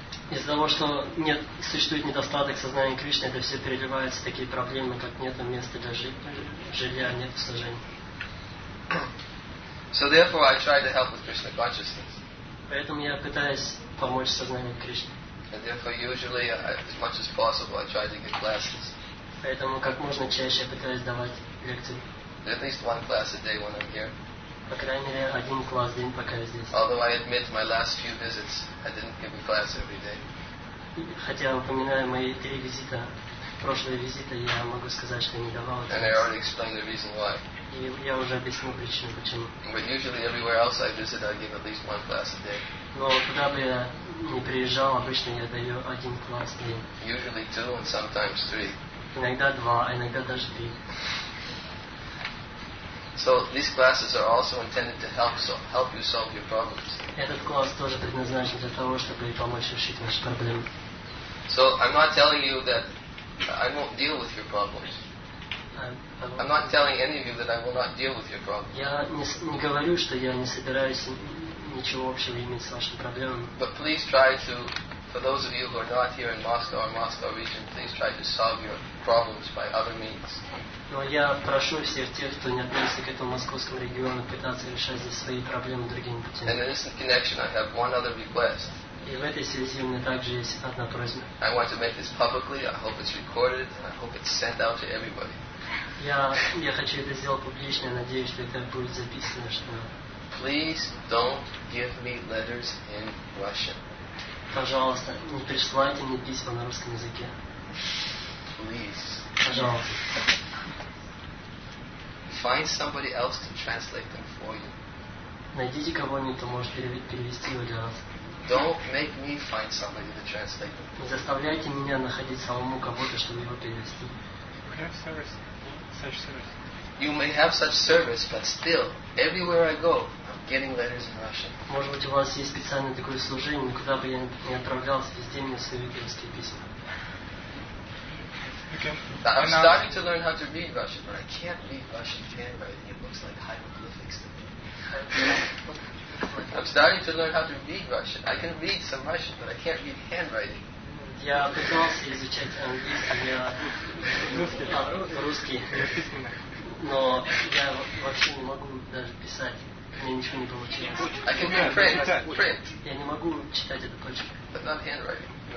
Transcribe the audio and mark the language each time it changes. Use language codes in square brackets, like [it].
[ru] Из-за того, что нет, существует недостаток сознания Кришны, это все переливаются такие проблемы, как нет места для жилья, нет сожжения. [en] So therefore I try to help with Krishna consciousness. [ru] Поэтому я пытаюсь помочь сознанию Кришны. [en] And therefore usually as much as possible I try to give classes. [ru] Поэтому как можно чаще я пытаюсь давать лекции. [en] At least one class a day when I'm here. [ru] По крайней мере, один класс в день, пока я здесь. [en] Although I admit my last few visits, I didn't give a class every day. [ru] Хотя упоминаю мои три визита, прошлые визиты, я могу сказать, что не давал. [en] And I already explained the reason why. [ru] И я уже объяснил причину, почему. [en] But usually everywhere else I visit, I give at least one class a day. [ru] Но куда бы я ни приезжал, обычно я даю один класс в день. [en] Usually two and sometimes three. [ru] Иногда два, иногда даже три. [en] So these classes are also intended to help you solve your problems. [ru] Этот класс тоже предназначен для того, чтобы помочь решить ваши проблемы. [en] So I'm not telling you that I won't deal with your problems. I'm not telling any of you that I will not deal with your problems. [ru] Я не говорю, что я не собираюсь ничего общего иметь с вашими проблемами. [en] But please try to, for those of you who are not here in Moscow or Moscow region, please try to solve your problems by other means. [ru] Но я прошу всех тех, кто не относится к этому московскому региону, пытаться решать здесь свои проблемы другими путями. [en] And in this connection, I have one other request. [ru] И в этой связи у меня также есть одна просьба. [en] I want to make this publicly. I hope it's recorded. I hope it's sent out to everybody. [ru] Я хочу это сделать публично. Я надеюсь, что это будет записано, что. [en] Please don't give me letters in Russian. [ru] Пожалуйста, не присылайте мне письма на русском языке. [en] Please. [ru] Пожалуйста. [en] Find somebody else to translate them for you. [ru] Найдите кого-нибудь, кто может перевести его для вас. [en] Don't make me find somebody to translate them. [ru] Не заставляйте меня находить самому кого-то, чтобы его перевести. [en] You have service, such service. You may have such service, but still, everywhere I go, I'm getting letters in Russian. [ru] Может быть, у вас есть специальное такое служение, куда бы я ни отправлялся, везде мне свои русские письма. [en] Okay. I'm starting to learn how to read Russian, but I can't read Russian handwriting. It looks like hieroglyphics to me. I'm starting to learn how to read Russian. I can read some Russian, but I can't read handwriting. [ru] Yeah, пытался изучать английский, русский, но я вообще не могу даже писать. Мне ничего не получилось. [en] I can read print. [ru] Я не могу читать эту почерк. [en] But not handwriting.